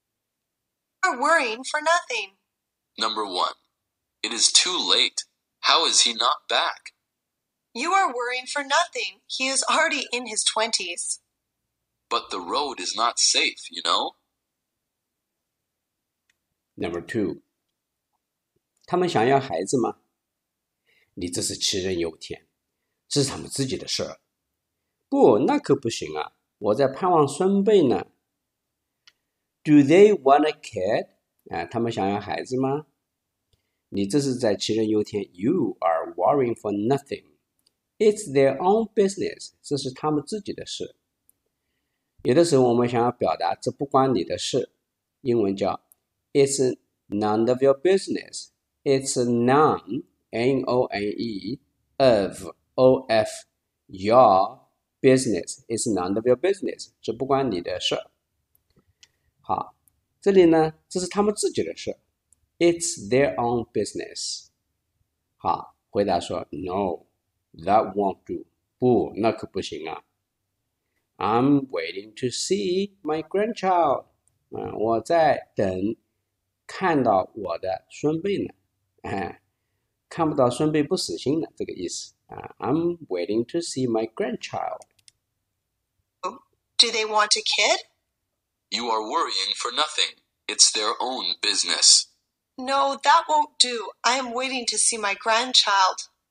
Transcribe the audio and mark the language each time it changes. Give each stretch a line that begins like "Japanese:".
English: are worrying for nothing. Number one, it is too late. How is he not back? You are worrying for nothing. He is already in his 20s. But the road is not safe, you know. Number two，
Chinese: 他们想要孩子吗？你这是杞人忧天，这是他们自己的事儿。不，那可不行啊，我在盼望孙辈呢。
English: Do they want a kid？
Chinese: 他们想要孩子吗？你这是在杞人忧天。
English: You are worrying for nothing. It's their own business，
Chinese: 这是他们自己的事。有的时候我们想要表达这不关你的事，英文叫
English: It's none of your business. It's none, N-O-N-E, of, O-F, your business. It's none of your business.
Chinese: 这不关你的事。好，这里呢，这是他们自己的事。
English: It's their own business.
Chinese: 好，回答说
English: No, that won't do.
Chinese: 不，那可不行啊。
English: I'm waiting to see my grandchild.
Chinese: 我在等 看到我的孙辈呢，看不到孙辈不死心的这个意思。
English: I'm waiting to see my grandchild. Do they want a kid? You are worrying for nothing. It's their own business. No, that won't do. I am waiting to see my grandchild.